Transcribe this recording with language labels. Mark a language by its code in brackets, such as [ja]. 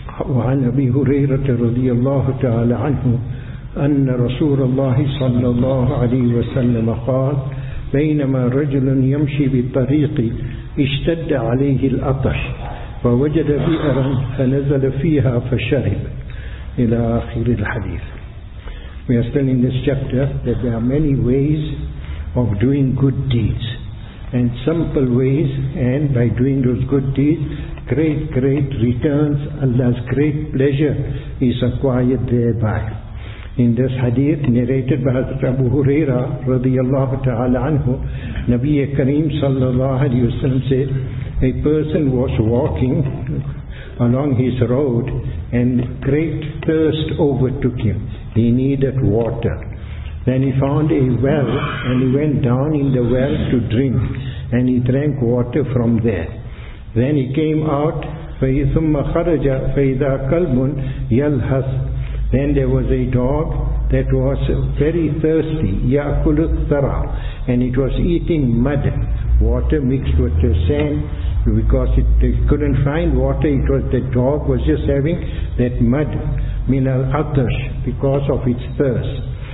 [ar] وعن أبي هريرة رضي الله تعالى عنه أن رسول الله صلى الله عليه وسلم قال: بينما رجل يمشي بالطريق اشتد عليه العطش فوجد بئرا فنزل فيها فشرب. إلى آخر الحديث. [en] We are still in this chapter that there are many ways of doing good deeds, and simple ways, and by doing those good deeds, great returns, Allah's great pleasure is acquired thereby. In this hadith narrated by Hazrat Abu Huraira radiyallahu ta'ala anhu, Nabi Kareem sallallahu alayhi wasallam said, a person was walking along his road and great thirst overtook him. He needed water. Then he found a well and he went down in the well to drink, and he drank water from there. Then he came out, [ar] فَيْثُمَّ خَرَجَ فَإِذَا كَلْبٌ يَلْهَثْ. [en] Then there was a dog that was very thirsty, [ar] يَأْكُلُ الثَّرَى, [en] and it was eating mud, water mixed with the sand, because it couldn't find water. It was the dog was just having that mud, [ar] مِنَ الْعَطَشْ, [en] because of its thirst.